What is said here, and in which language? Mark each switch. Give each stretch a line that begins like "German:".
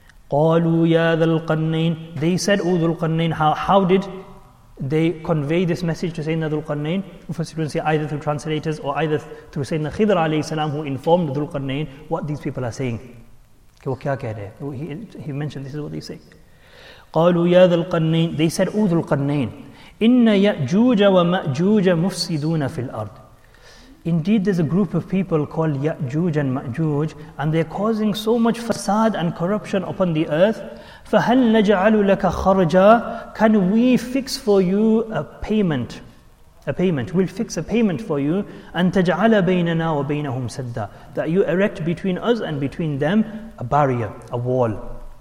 Arabic: قَالُوا يَا ذُلْقَرْنَيْنِ,
English: they said, O ذُلْقَرْنَيْنِ, how did they convey this message to Sayyidina Dhul-Qarnayn? Mufassirun say either through translators or either through Sayyidina Khidr alayhi salam, who informed Dhul-Qarnayn what these people are saying. He mentioned this is what they say.
Arabic: قَالُوا يَا ذُلْقَرْنَيْنِ,
English: they said, O
Arabic: ذُلْقَرْنَيْنِ, إِنَّ يَأْجُوجَ وَمَأْجُوجَ مُفْسِدُونَ فِي الْأَرْضِ.
English: Indeed, there's a group of people called يَأْجُوجَ and مَأْجُوجَ, and they're causing so much facade and corruption upon the earth.
Arabic: فَهَلْ نَجَعَلُ لَكَ خَرْجًا,
English: can we fix for you a payment? A payment. We'll fix a payment for you. And
Arabic: تَجْعَلَ بَيْنَنَا وَبَيْنَهُمْ سَدَّا,
English: that you erect between us and between them a barrier, a wall.